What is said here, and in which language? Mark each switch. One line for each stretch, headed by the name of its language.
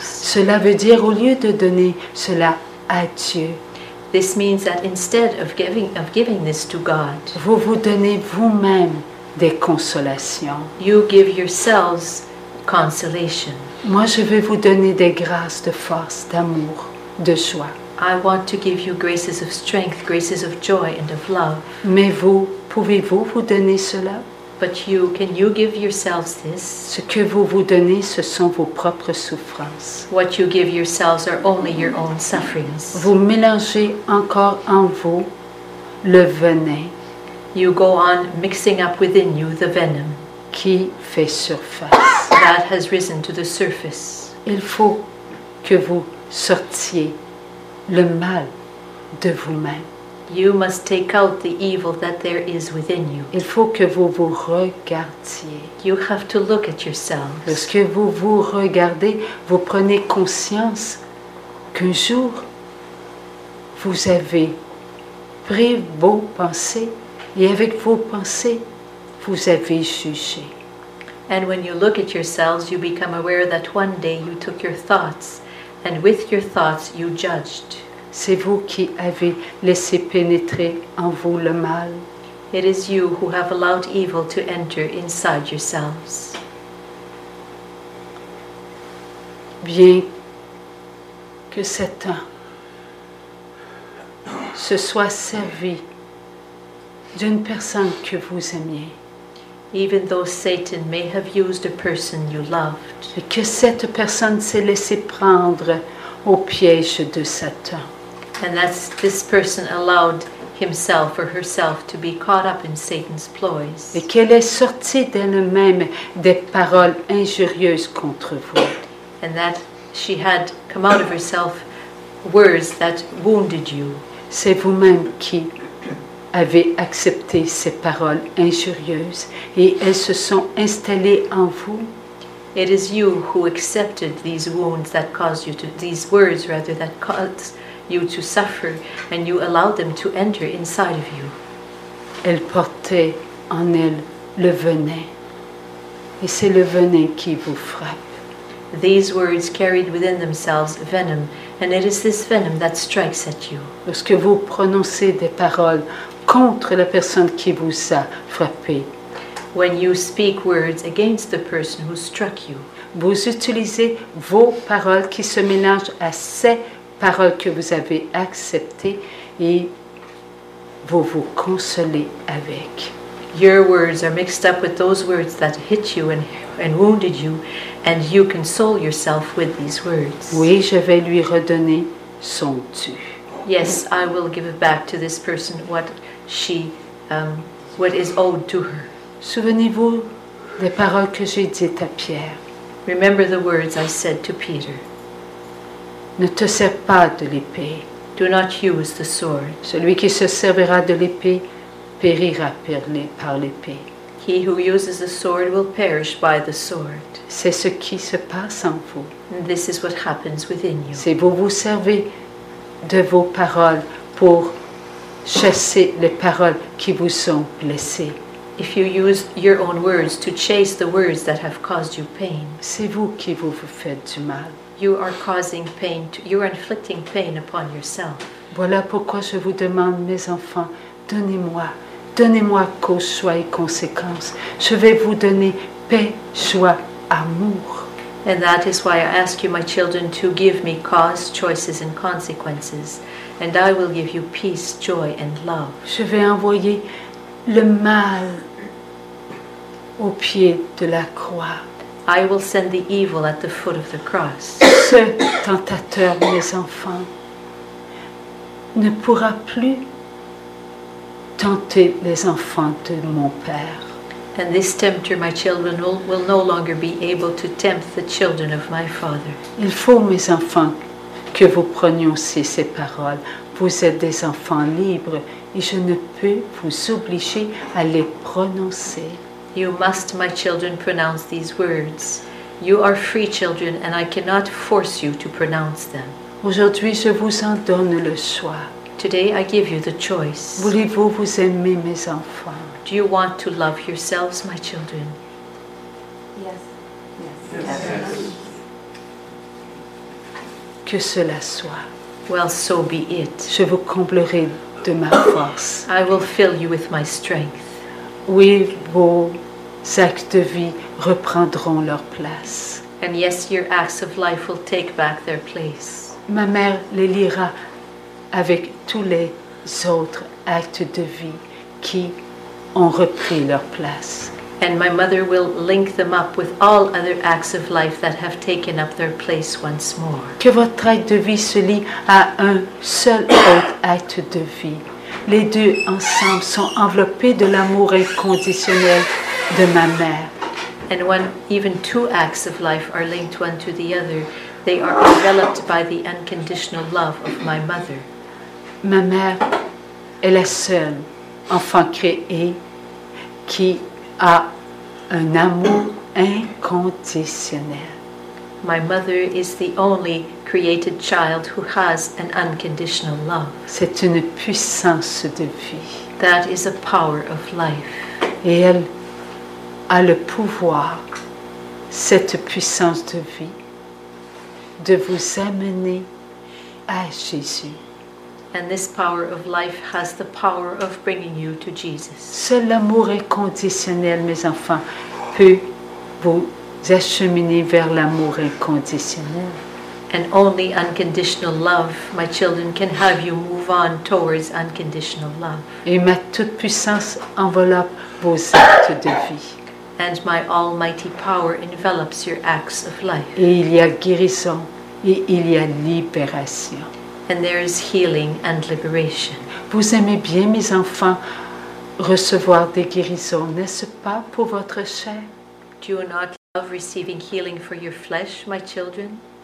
French: Cela veut dire au lieu de donner cela à Dieu,
English: this means that instead of giving this to God,
French: vous vous donnez vous-même des consolations.
English: You give yourselves consolation.
French: Moi, je vais vous donner des grâces de force, d'amour, de joie.
English: I want to give you graces of strength, graces of joy and of love.
French: Mais vous, pouvez-vous vous donner cela?
English: But you, can you give yourselves this?
French: Ce que vous vous donnez, ce sont vos propres souffrances.
English: What you give yourselves are only your own sufferings.
French: Vous mélangez encore en vous le venin.
English: You go on mixing up within you the venom.
French: Qui fait surface.
English: That has risen to the surface.
French: Il faut que vous sortiez le mal de vous-même.
English: You must take out the evil that there is within you.
French: Il faut que vous vous regardiez.
English: You have to look at yourselves.
French: Lorsque vous vous regardez, vous prenez conscience qu'un jour, vous avez pris vos pensées et avec vos pensées, vous avez jugé.
English: And when you look at yourselves, you become aware that one day you took your thoughts. And with your thoughts, you judged.
French: C'est vous qui avez laissé pénétrer en vous le mal.
English: It is you who have allowed evil to enter inside yourselves.
French: Bien que Satan se soit servi d'une personne que vous aimiez.
English: Even though Satan may have used a person you loved,
French: et que cette personne s'est laissée prendre au piège de Satan,
English: and that this person allowed himself or herself to be caught up in Satan's ploys,
French: et qu'elle est sortie d'elle-même des paroles injurieuses contre vous,
English: and that she had come out of herself words that wounded you,
French: c'est vous-même qui avez accepté ces paroles injurieuses et elles se sont installées en vous.
English: It is you who accepted these wounds that caused you to, these words rather, that caused you to suffer, and you allowed them to enter inside of you.
French: Elles portaient en elles le venin. Et c'est le venin qui vous frappe.
English: These words carried within themselves venom, and it is this venom that strikes at you.
French: Lorsque vous prononcez des paroles contre la personne qui vous a frappé.
English: When you speak words against the person who struck you.
French: Vous utilisez vos paroles qui se mélangent à ces paroles que vous avez acceptées et vous vous consolez avec.
English: Your words are mixed up with those words that hit you and wounded you, and you console yourself with these words.
French: Oui, je vais lui redonner son dû.
English: Yes, I will give back to this person what is owed to her.
French: Souvenez-vous des paroles que j'ai dites à Pierre.
English: Remember the words I said to Peter.
French: Ne te sers pas de l'épée.
English: Do not use the sword.
French: Celui qui se servira de l'épée périra par l'épée.
English: He who uses the sword will perish by the sword.
French: C'est ce qui se passe en vous.
English: And this is what happens within you.
French: C'est vous vous servez de vos paroles pour chasser les paroles qui vous sont blessées.
English: If you use your own words to chase the words that have caused you pain.
French: C'est vous qui vous faites du mal.
English: You are causing pain. You are inflicting pain upon yourself.
French: Voilà pourquoi je vous demande, mes enfants, donnez-moi cause, choix et conséquence. Je vais vous donner paix, choix, amour.
English: And that is why I ask you, my children, to give me cause, choices and consequences. And I will give you peace, joy and love.
French: Je vais envoyer le mal au pied de la croix.
English: I will send the evil at the foot of the cross.
French: Ce tentateur, mes enfants, ne pourra plus tenter les enfants de mon Père.
English: And this tempter, my children, will no longer be able to tempt the children of my Father.
French: Il faut, mes enfants, que vous prononciez ces paroles. Vous êtes des enfants libres et je ne peux vous obliger à les prononcer.
English: You must, my children, pronounce these words. You are free children and I cannot force you to pronounce them.
French: Aujourd'hui, je vous en donne le choix.
English: Today, I give you the choice.
French: Voulez-vous vous aimer, mes enfants?
English: Do you want to love yourselves, my children? Yes. Yes. Yes.
French: Que cela soit.
English: Well, so be it.
French: Je vous comblerai de ma force.
English: I will fill you with my strength.
French: Oui, vos actes de vie reprendront leur place.
English: And yes, your acts of life will take back their place.
French: Ma mère les lira avec tous les autres actes de vie qui ont repris leur place.
English: And my mother will link them up with all other acts of life that have taken up their place once more.
French: Que votre acte de vie se lie à un seul autre acte de vie. Les deux ensemble sont enveloppés de l'amour inconditionnel de ma mère.
English: And when even two acts of life are linked one to the other, they are enveloped by the unconditional love of my mother.
French: Ma mère est la seule enfant créée qui a un amour inconditionnel.
English: My mother is the only created child who has an unconditional love.
French: C'est une puissance de vie.
English: That is a power of life.
French: Et elle a le pouvoir, cette puissance de vie, de vous amener à Jésus.
English: And this power of life has the power of bringing you to Jesus.
French: Seul l'amour inconditionnel, mes enfants, peut vous acheminer vers l'amour inconditionnel.
English: And only unconditional love, my children, can have you move on towards unconditional love.
French: Et ma toute puissance enveloppe vos actes de vie.
English: And my almighty power envelops your acts of life.
French: Et il y a guérison et il y a libération.
English: And there is healing and liberation.
French: Vous aimez bien, mes enfants, recevoir des guérisons, n'est-ce pas, pour votre chair?
English: Do you not love receiving healing for your flesh, my children?